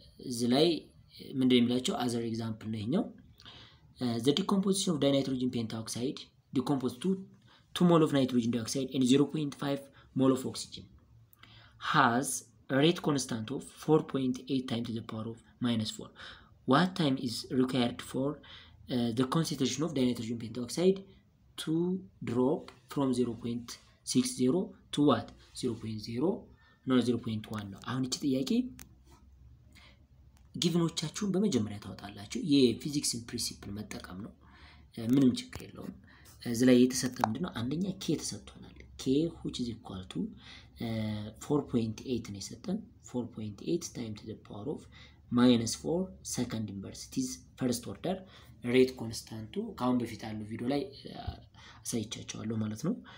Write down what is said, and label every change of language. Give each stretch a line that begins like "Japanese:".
Amharic: እዚ ላይ ምንድነው የሚላቸው other example ነው ይሄኛው
English: the decomposition of dinitrogen pentoxide decomposed to 2 mol of nitrogen dioxide and 0.5 mol of oxygen has a rate constant of 4.8 times to the power of minus 4. What time is required for the concentration of dinitrogen pentoxide to drop from 0.60 to what? 0.0, not 0.1.
Amharic: አሁን እቺ ጥያቄ ጊቭኖቻችሁን በመጀመሪያ ታወጣላችሁ የፊዚክስን ፕሪንሲፕል መጠቀም ነው ምንም ችግር የለውም እዚ ላይ የተሰጠ ምንድነው አንደኛ k ተሰጥቷል k which is equal to 4.8 ነው የሰጠን
English: 4.8 times to the power of minus 4 second inverse it is first order rate constant
Amharic: ካሁን በፊት አለው ቪዲዮ ላይ አሳይቻችኋለሁ ማለት ነው